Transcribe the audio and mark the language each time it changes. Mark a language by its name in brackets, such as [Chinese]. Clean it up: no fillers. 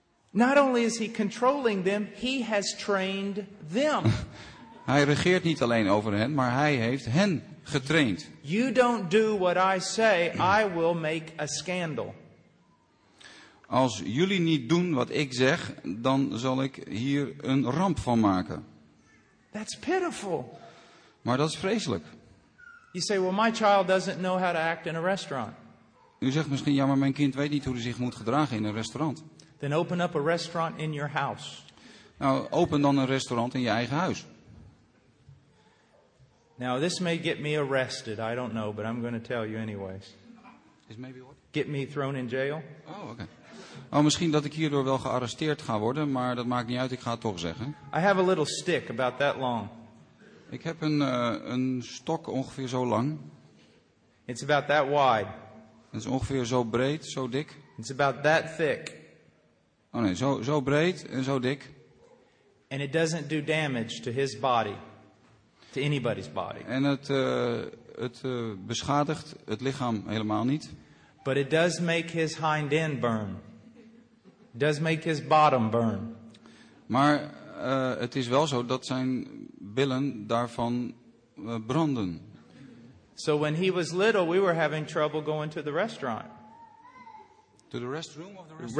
[English] Not only is he controlling them, he has trained them. [Dutch] Hij regeert niet alleen over hen, maar hij heeft hen getraind. [English] You don't do what I say, I will make a scandal. [Dutch] Als jullie niet doen wat ik zeg, dan zal ik hier een ramp van maken. [English] That's pitiful. [Dutch] Maar dat is vreselijk. [English] You say, well, my child doesn't know how to act in a restaurant. [Dutch] U zegt misschien, ja, maar mijn kind weet niet hoe hij zich moet gedragen in een restaurant. [English] Then open up a restaurant in your house. [Dutch] Nou, open dan een restaurant in je eigen huis. [English] Now this may get me arrested. I don't know, but I'm going to tell you anyways. Is maybe what? Get me thrown in jail. Oh, okay. [Dutch] Oh, misschien dat ik hierdoor wel gearresteerd ga worden, maar dat maakt niet uit. Ik ga het toch zeggen. [English] I have a little stick about that long. [Dutch] Ik heb een stok ongeveer zo lang. [English] It's about that wide. [Dutch] Het is ongeveer zo breed, zo dik. [English] It's about that thick. [Dutch] Oh nee, zo breed en zo dik. [English] And it doesn't do damage to his body. To anybody's body. [Dutch] En het beschadigt het lichaam helemaal niet. [English] But it does make his hind end burn. It does make his bottom burn. [Dutch] Maar het is wel zo dat zijn billen daarvan branden. [English] So when he was little, we were having trouble going to the restaurant. To the restroom of the restaurant?